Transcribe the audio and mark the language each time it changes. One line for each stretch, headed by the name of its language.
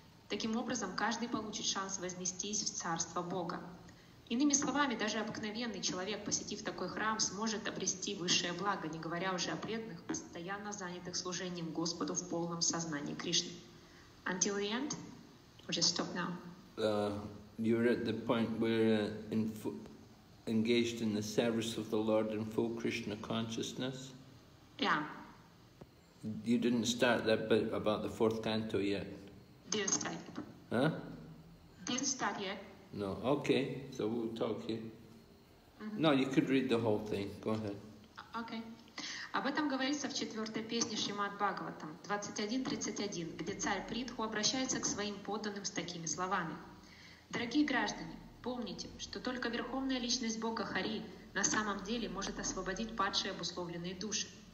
Russian: Таким образом, каждый получит шанс вознестись в царство Бога. Иными словами, даже обыкновенный человек, посетив такой храм, сможет обрести высшее благо, не говоря уже о преданных, постоянно занятых служением Господу в полном сознании Кришны.
English: Until the end, we'll just stop now. You're at the point where engaged in the service of the Lord in full Krishna consciousness? Yeah. You didn't start that bit about the fourth canto yet? Didn't start. Huh? Didn't start yet. No, okay, so we'll talk here. Mm-hmm. No, you could read the whole thing. Go ahead. Okay.
Russian: Об этом говорится в четвертой песне Шримад Бхагаватам, 21.31, где царь Притху обращается к своим подданным с такими словами: «Дорогие граждане, помните, что только Верховная Личность Бога Хари на самом деле может освободить падшие обусловленные души.